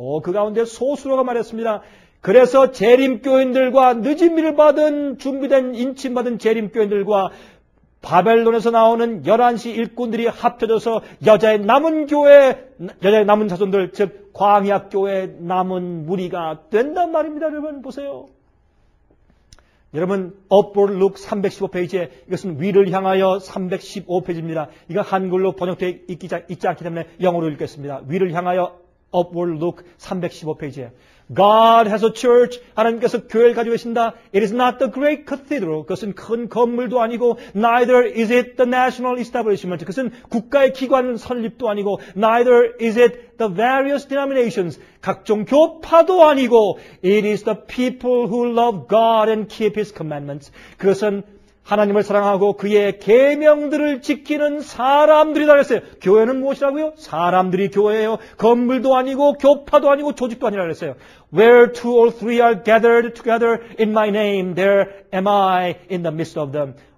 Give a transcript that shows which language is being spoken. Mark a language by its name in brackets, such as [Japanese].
[Korean] 그 가운데 소수로가 말했습니다. 그래서 재림교인들과 늦은비를 받은 준비된 인침받은 재림교인들과 바벨론에서 나오는 11시 일꾼들이 합쳐져서 여자의 남은 교회, 여자의 남은 자손들, 즉 광야교회 남은 무리가 된단 말입니다. 여러분 보세요. 여러분 Upward Look 315페이지에 이것은 위를 향하여 315페이지입니다. 이거 한글로 번역되어 있지 않기 때문에 영어로 읽겠습니다. 위를 향하여 [English] Upward Look [Korean] 315페이지에 [English] God has a church. [Korean] 하나님께서 교회를 가지고 계신다. [English] It is not the great cathedral. [Korean] 그것은 큰 건물도 아니고 [English] Neither is it the national establishment. [Korean] 그것은 국가의 기관 설립도 아니고 [English] Neither is it the various denominations. [Korean] 각종 교파도 아니고 [English] It is the people who love God and keep His commandments. [Korean] 그것은 하나님을 사랑하고 그의 계명들을 지키는 사람들이다 그랬어요. 교회는 무엇이라고요? 사람들이 교회예요. 건물도 아니고 교파도 아니고 조직도 아니라 그랬어요. [English] Where two or three are gathered together in my name, there am I in the midst of them.